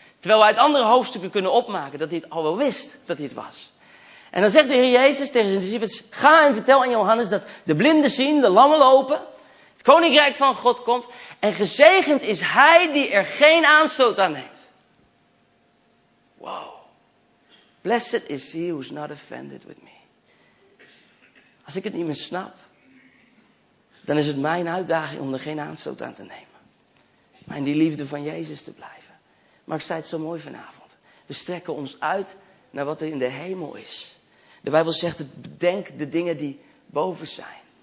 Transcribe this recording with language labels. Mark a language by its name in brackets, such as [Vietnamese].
[Dutch] Terwijl we uit andere hoofdstukken kunnen opmaken dat hij het al wel wist dat hij het was. En dan zegt de Heer Jezus tegen zijn discipels, ga en vertel aan Johannes dat de blinden zien, de lammen lopen, het koninkrijk van God komt en gezegend is hij die er geen aanstoot aan neemt. Wow. [English] Blessed is he who's not offended with me. [Dutch] Als ik het niet meer snap, dan is het mijn uitdaging om er geen aanstoot aan te nemen. Maar in die liefde van Jezus te blijven. Maar ik zei het zo mooi vanavond. We strekken ons uit naar wat er in de hemel is. De Bijbel zegt, bedenk de dingen die boven zijn.